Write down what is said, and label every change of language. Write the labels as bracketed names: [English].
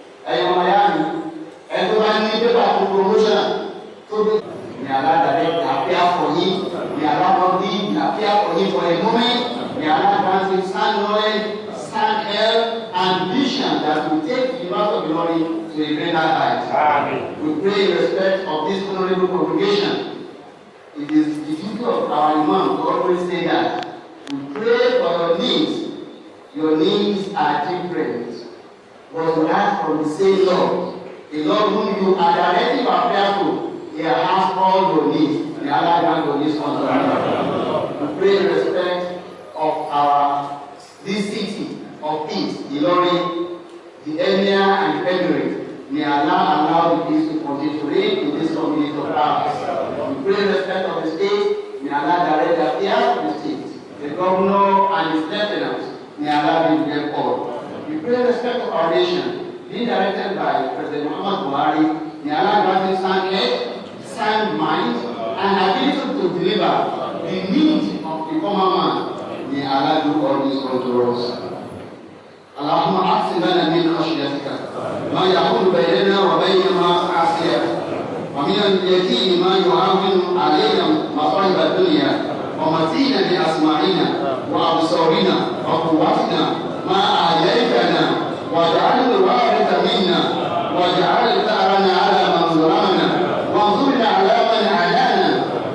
[Yoruba] ẹ̀yin ọmọ yá ni ẹ tó bá ní pépà tó promotion tó bí ní aládàlẹ́ ní àfi àfọyín ní alábọ́bí ní àfi àfọyín fọ ẹ̀múmí ní alábọ́bí san lọ́rẹ́ san l [English] ambition that will take the amount of glory to a greater height. We pray in respect of this honorable congregation. It is the duty of our imam to always say that we pray for your needs. Your needs are different. But we ask from the same Lord, the Lord whom you are directing our prayer to. He has all your needs. The Allah grant your needs unto you. We pray in respect of our this city of peace, the Lori, the Emir, and the Emirate. May Allah allow the peace to continue to reign in this community of ours. We pray in respect of the state. May Allah direct the affairs of the state, the governor and his lieutenants. May Allah be with them all. We pray in respect of our nation, being directed by President Muhammad Buhari. May Allah grant him sound head, sound mind, and ability to deliver the needs of the common man. May Allah do all this unto us. [Arabic] اللهم أحسن لنا من خشيتك ما يكون بيننا وبين معصيتك ومن اليتيم ما يعاون علينا مصائب الدنيا ومزينا بأسماعنا وأبصارنا وقواتنا ما أعجبتنا واجعل الوارث منا واجعل ثأرنا على من ظلمنا وانصرنا على من عادانا